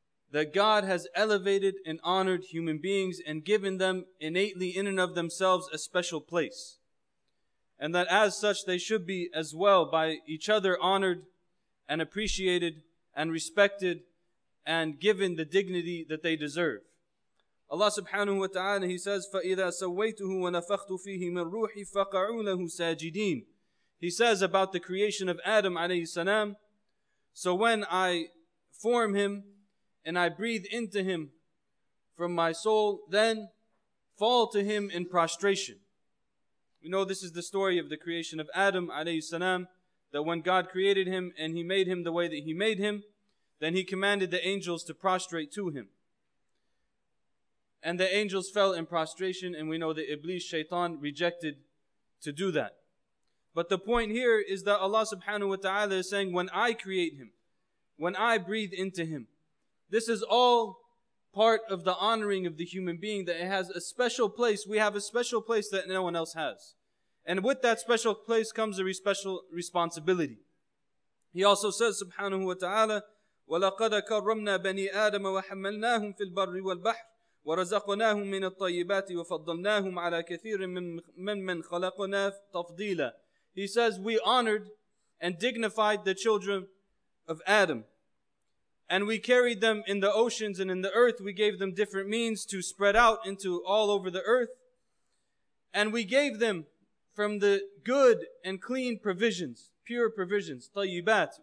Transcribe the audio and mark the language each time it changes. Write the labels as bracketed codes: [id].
[en] That God has elevated and honored human beings and given them innately in and of themselves a special place. And that as such they should be as well by each other honored and appreciated and respected and given the dignity that they deserve. [ar] Allah subhanahu wa ta'ala, [en] He says, [ar] فَإِذَا سَوَّيْتُهُ وَنَفَخْتُ فِيهِ مِنْ رُوحِ فَقَعُوا لَهُ سَاجِدِينَ. [en] He says about the creation of Adam alayhi salam, so when I form him and I breathe into him from my soul, then fall to him in prostration. We know this is the story of the creation of Adam alayhi salam, that when God created him and He made him the way that He made him, then He commanded the angels to prostrate to him. And the angels fell in prostration, and we know that Iblis, Shaytan, rejected to do that. But the point here is that Allah subhanahu wa ta'ala is saying, when I create him, when I breathe into him, this is all part of the honoring of the human being, that it has a special place. We have a special place that no one else has. And with that special place comes a special responsibility. He also says, [ar] subhanahu wa ta'ala, وَلَقَدَ كَرَّمْنَا بَنِي آدَمَ وَحَمَّلْنَاهُمْ فِي الْبَرِّ وَالْبَحْرِ وَرَزَقْنَاهُمْ مِنَ الطَّيِّبَاتِ وَفَضَّلْنَاهُمْ عَلَى كَثِيرٍ مِّمَّنْ خَلَقْنَا تَفْضِيلًا. [en] He says, we honored and dignified the children of Adam. And we carried them in the oceans and in the earth. We gave them different means to spread out into all over the earth. And we gave them from the good and clean provisions, pure provisions, طيبات.